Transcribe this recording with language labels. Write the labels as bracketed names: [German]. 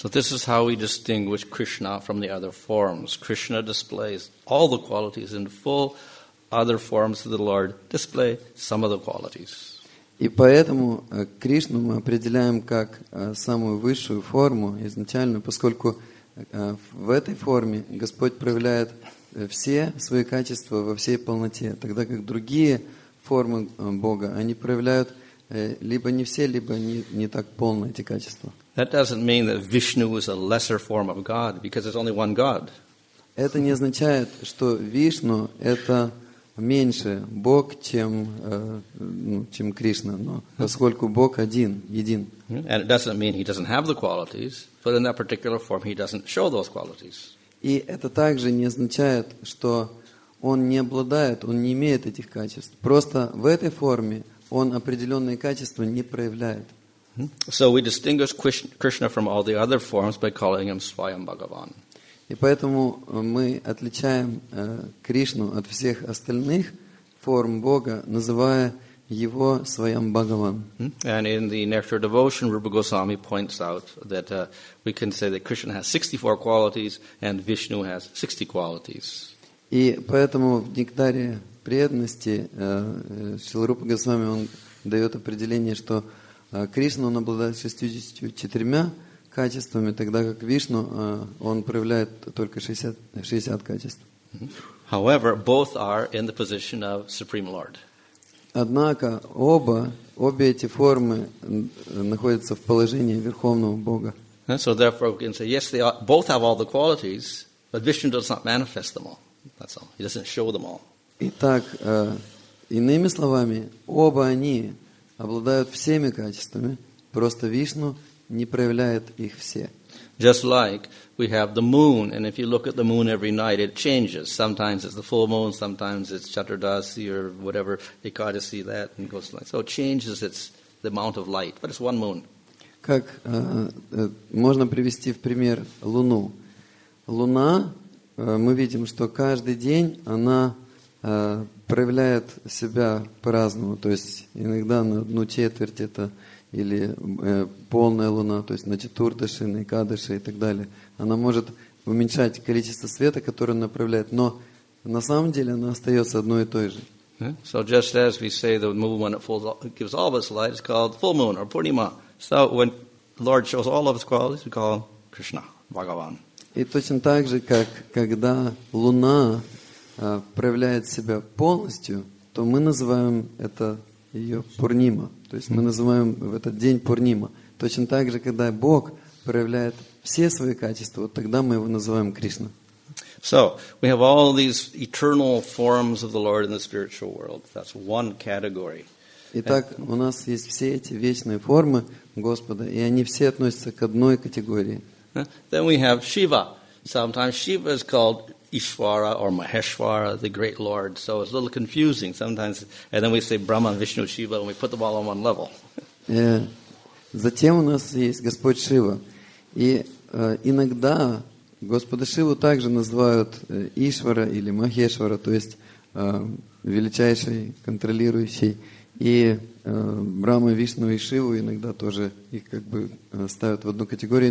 [English] So this is how we distinguish Krishna from the other forms. Krishna displays all the qualities in full, other forms of the Lord display some of the qualities. [Russian] И поэтому Кришну мы определяем как самую высшую форму изначальную, поскольку в этой форме Господь проявляет все свои качества во всей полноте, тогда как другие формы Бога, они проявляют либо не все, либо не так полно эти качества. [English] That doesn't mean that Vishnu is a lesser form of God, because there's only one God. [Russian] Это не означает, что Вишну — это меньше Бог, чем Кришна, но поскольку Бог один, един. [English] And it doesn't mean he doesn't have the qualities, but in that particular form he doesn't show those qualities. [Russian] И это также не означает, что он не обладает, он не имеет этих качеств. Просто в этой форме он определенные качества не проявляет. [English] So we distinguish Krishna from all the other forms by calling him Swayam Bhagavan. [Russian] И поэтому мы отличаем Кришну от всех остальных форм Бога, называя его Swayam Bhagavan. [English] And in the Nectar Devotion, Rupa Goswami points out that we can say that Krishna has 64 qualities and Vishnu has 60 qualities. [Russian] И поэтому в Нектаре преданности Шрила Рупа Госвами он дает определение, что Кришна он обладает 64 качествами, тогда как Вишну он проявляет только 60 качеств. [English] However, both are in the position of Supreme Lord. [Russian] Однако обе эти формы находятся в положении Верховного Бога. [English] So therefore we can say, yes, they are, both have all the qualities, but Vishnu does not manifest them all. That's all. He doesn't show them all. [Russian] Итак, иными словами, оба они обладают всеми качествами, просто Вишну не проявляет их все. [English] Just like we have the moon, and if you look at the moon every night, it changes. Sometimes it's the full moon, sometimes it's Chaturdasi or whatever, Ekadasi, that, and it goes like so. It changes its the amount of light, but it's one moon. [Russian] Как можно привести в пример Луну? Луна, мы видим, что каждый день она проявляет себя по-разному. То есть иногда на одну четверть это или полная луна, то есть на четвертыши, на икадыши и так далее. Она может уменьшать количество света, которое направляет, но на самом деле она остается одной и той же. [English] So just as we say the moon when it falls, gives all of its light, it's called full moon or Purnima. So when the Lord shows all of its qualities, we call Krishna, Bhagavan. [Russian] И точно так же, как когда луна проявляет себя полностью, то мы называем это ее Пурнима. То есть мы называем в этот день Пурнима. Точно так же, когда Бог проявляет все свои качества, вот тогда мы его называем Кришна. [English] So we have all these eternal forms of the Lord in the spiritual world. That's one category. [Russian] Итак, у нас есть все эти вечные формы Господа, и они все относятся к одной категории. [English] Then we have Shiva. Sometimes Shiva is called Ishvara or Maheshvara, the great Lord. So it's a little confusing sometimes. And then we say Brahma, Vishnu, Shiva, and we put them all on one level. [Russian] Затем у нас есть Господь Шива. И иногда Господа Шиву также называют Ишвара или Махешвара, то есть величайший, контролирующий. И Брама, Вишну и Шиву иногда тоже их как бы ставят в одну категорию.